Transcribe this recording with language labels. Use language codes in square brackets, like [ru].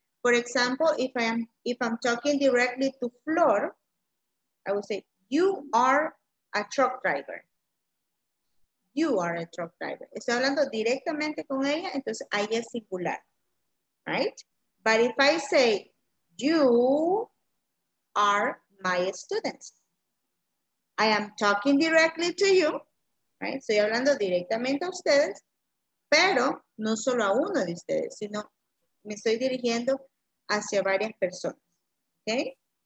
[en] For example, if I'm talking directly to Flor, I would say you are a truck driver. You are a truck driver. [es] Estoy hablando directamente con ella, entonces ahí es singular, right? [en] But if I say, you are my students, I am talking directly to you, right? [es] Estoy hablando directamente a ustedes, pero no solo a uno de ustedes, sino me estoy dirigiendo hacia varias personas, okay?